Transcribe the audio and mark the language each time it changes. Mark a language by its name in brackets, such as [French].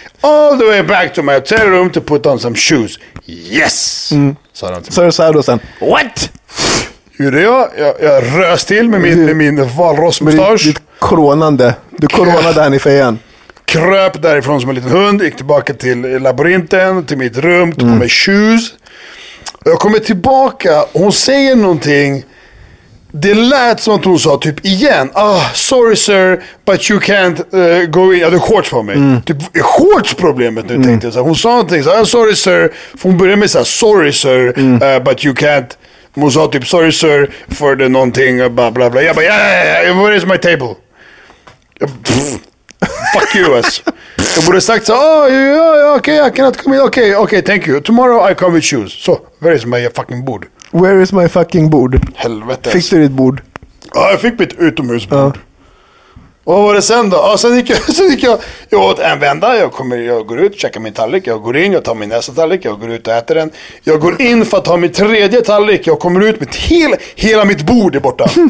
[English] all the way back to my hotel room to put on some shoes. Yes! [Swedish] Sa han till mig. Så sa du sen. What? Gjorde jag? Jag rös till med min valrossmustasch. Ditt kronande. Du kronade han i fejan. Kröp därifrån som en liten hund. Gick tillbaka till labyrinten, till mitt rum, tog på mig shoes. Jag kommer tillbaka. Hon säger någonting. Det lät som att hon sa typ igen. [English] Ah, sorry sir, but you can't go in. [Swedish] Jag hade shorts på mig. Typ, är shorts problemet nu tänkte jag. Så hon sa någonting. Så, sorry sir. För hon började med så här, [English] sorry sir, but you can't. [Swedish] Hon sa typ, [English] sorry sir, [Swedish] för det någonting. [English] Bla bla bla. [Swedish] Jag bara, [English] yeah, where is my table? Fuck you ass. [Swedish] Jag borde sagt så, okej, [English] I cannot come in. Okay, thank you. Tomorrow I come with shoes. So, where is my fucking board? Where is my fucking board? [Swedish] Helvete. Fick du ditt bord? Ja, jag fick mitt utomhusbord. Ja. Och vad var det sen då? Ja, sen gick jag åt en vända. Jag går ut, checkar min tallrik. Jag går in, jag tar min nästa tallrik. Jag går ut och äter den. Jag går in för att ta min tredje tallrik. Jag kommer ut med hela mitt bord är borta.